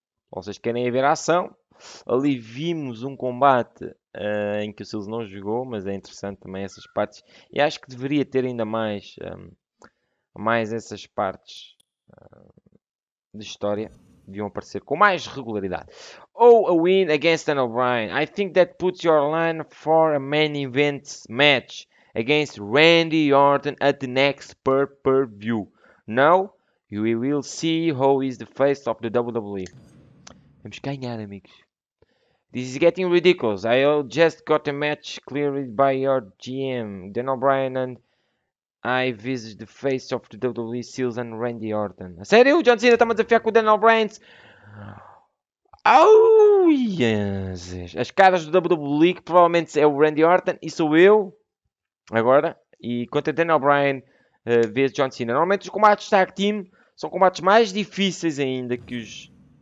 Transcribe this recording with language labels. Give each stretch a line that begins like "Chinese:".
Portuguese: Vocês querem ver a ação? Ali vimos um combate em que o Silas não jogou, mas é interessante também essas partes. E acho que deveria ter ainda mais essas partes de história. Deviam aparecer com mais regularidade.
English: Oh, a win against Daniel Bryan. I think that puts your line for a main event match against Randy Orton at the next pay-per-view. Now, you will see who is the face of the WWE.
Portuguese: Vamos ganhar, amigos.
English: This is getting ridiculous. I just got a match cleared by your GM, Daniel Bryan, and I visit the face of the WWE Seals and Randy Orton.
Portuguese: A sério? John Cena está-me a desafiar com o Daniel Bryan?
English: Oh, yes.
Portuguese: As caras do WWE, que provavelmente é o Randy Orton, e sou eu agora. E contra Daniel Bryan, vs John Cena. Normalmente os combates de tag team são combates mais difíceis ainda que os.